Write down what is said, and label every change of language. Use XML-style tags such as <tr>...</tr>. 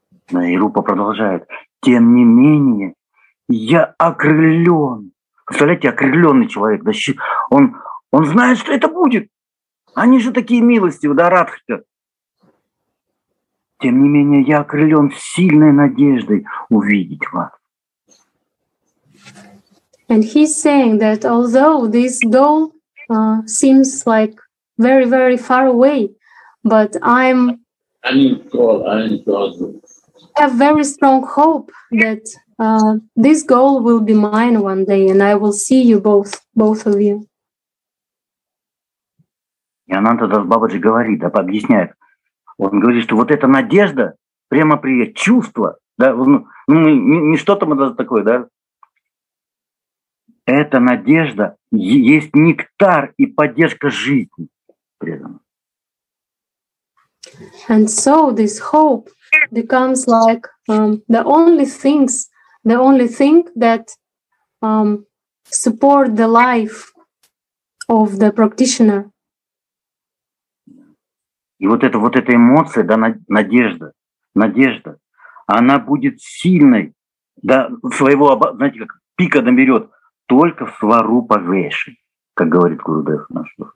<ru>И Рупа продолжает, тем не менее, я окрылён. Представляете, окрылённый человек, да, он знает, что это будет. Они же такие милости, да, радхи-то. Тем не менее, я окрылён сильной надеждой увидеть вас.</ru> <en>And he's saying that although this goal seems like very, very far away, but I'm... I need to call. I have very strong hope that this goal will be mine one day, and I will see you both of you.</en> <ru>И Ананта Дас Бабаджи говорит, да, объясняет. Он говорит, что вот эта надежда, прямо при чувство, да, ну, не что-то мы даже такое, да. Эта надежда есть нектар и поддержка жизни при этом.</ru> <en>And so this hope becomes like the only thing that support the life of the practitioner.</en> <ru>И вот эта эмоция, да, надежда, она будет сильной, да, своего, знаете, как пика наберет, только в сварупа веши, как говорит Гурудев наш.</ru>